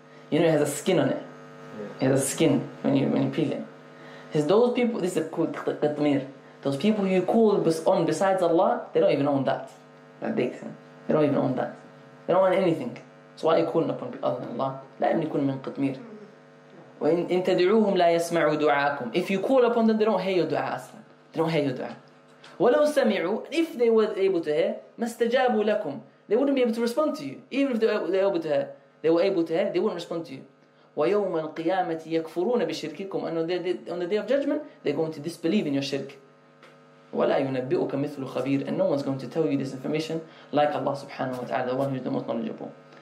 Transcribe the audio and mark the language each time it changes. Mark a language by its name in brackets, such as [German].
[English] You know it has a skin on it. It has a skin when you peel it. It's those people, this is a qitmir. Those people who you call on besides Allah, they don't even own that date. They don't even own that. They don't own anything. So why are you calling upon other than Allah? [Arabic] لا يكون من قطمير. وإن تدعوهم لا يسمعوا دعاءكم. [English] If you call upon them, they don't hear your dua. They don't hear your dua. [Arabic] ولو سمعوا, [English] if they were able to hear, [Arabic] ما استجابوا لكم. [English] They wouldn't be able to respond to you. Even if they were able to hear, they wouldn't respond to you. [Arabic] ويوم القيامة يكفرون بشرككم. [English] And on the day of judgment, they're going to disbelieve in your shirk. [Arabic] ولا ينبئك مثل خبير. [English] And no one's going to tell you this information like Allah subhanahu wa ta'ala, the one who is the most knowledgeable.